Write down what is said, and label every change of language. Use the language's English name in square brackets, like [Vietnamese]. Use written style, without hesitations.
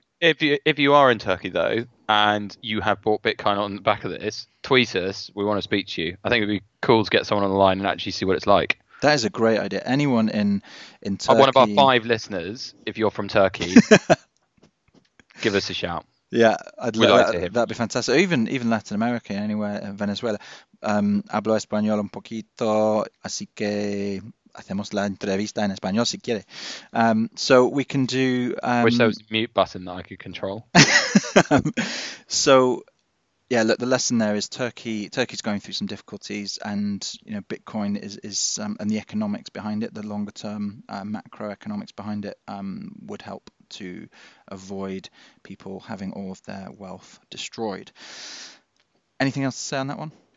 [English] if you are in Turkey though and you have bought Bitcoin on the back of this, tweet us, we want to speak to you. I think it'd be cool to get someone on the line and actually see what it's like. That is a great idea. Anyone in Turkey... One of our five listeners, if you're from Turkey, give us a shout. Yeah, that'd be fantastic. Even Latin America, anywhere, Venezuela. [Spanish] Hablo español un poquito, así que hacemos la entrevista en español si quiere. [English] So we can do... Wish there was a mute button that I could control. Yeah, look, the lesson there is Turkey's going through some difficulties, and Bitcoin is and the economics behind it, the longer term macroeconomics behind it, would help to avoid people having all of their wealth destroyed. Anything else to say on that one?